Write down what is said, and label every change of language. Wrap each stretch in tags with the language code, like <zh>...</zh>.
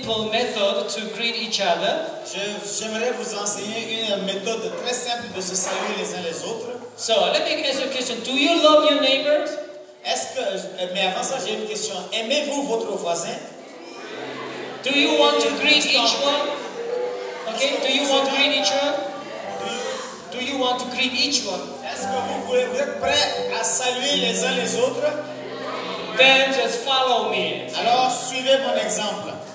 <en>Method to greet each other.</en> <fr>J'aimerais vous enseigner une méthode très simple de se saluer les uns les autres.</fr> <en>So, let me ask you a question. Do you love your neighbors?</en> <fr>Mais avant ça, j'ai une question. Aimez-vous votre voisin?</fr> <en>Do you want to greet each one? Okay, do you want to greet each one? Do you want to greet each one?</en> <fr>Est-ce que vous voulez être prêt à saluer les uns les autres?</fr> <en>Then just follow me.</en> <fr>Alors, suivez mon exemple.</fr>